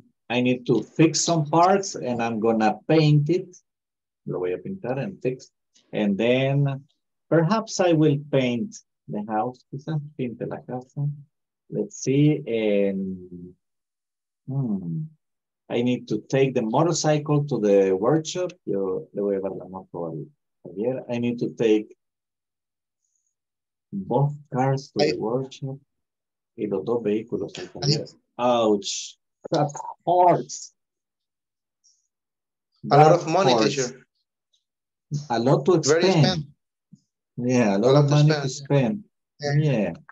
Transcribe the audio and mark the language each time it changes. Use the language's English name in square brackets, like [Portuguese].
[English] I need to fix some parts, and I'm gonna paint it. [Spanish] Lo voy a pintar [English] and fix, and then perhaps I will paint the house. [Spanish] Quizá pinte la casa. [English] Let's see and. I need to take the motorcycle to the workshop. [Spanish] Yo le voy a llevar la moto a Javier. [English] I need to take both cars to the workshop. [Spanish] Y los dos vehículos. [English] Ouch. That hurts. A lot of money, teacher. A lot to expend. Very spent. Yeah, a lot of money to spend. Yeah.